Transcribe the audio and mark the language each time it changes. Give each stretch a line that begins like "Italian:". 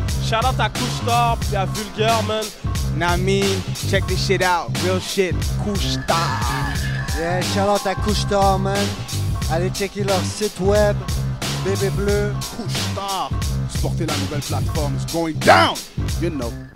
English: Shout out à Couchetard et à Vulgaire, man. Nami, check this shit out. Real shit. Couchetard. Yeah, shout out à Couchetard, man.
French: Allez checker leur site web, Bébé Bleu.
English: Couchetard.
French: Supporter la nouvelle plateforme.
English: It's going down. You know.